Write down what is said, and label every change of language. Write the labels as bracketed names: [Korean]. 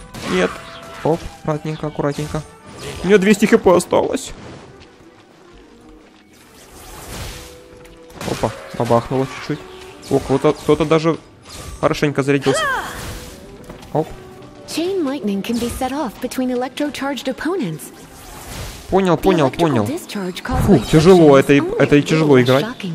[Russian] Нет. Оп, аккуратненько, аккуратненько. У меня 200 хп осталось. Опа, побахнуло чуть-чуть. О, кто-то даже хорошенько зарядился. Оп. [English] Chain lightning can be set off between electrocharged opponents. [Russian] Понял, понял, понял. Фух, тяжело, это и тяжело играть.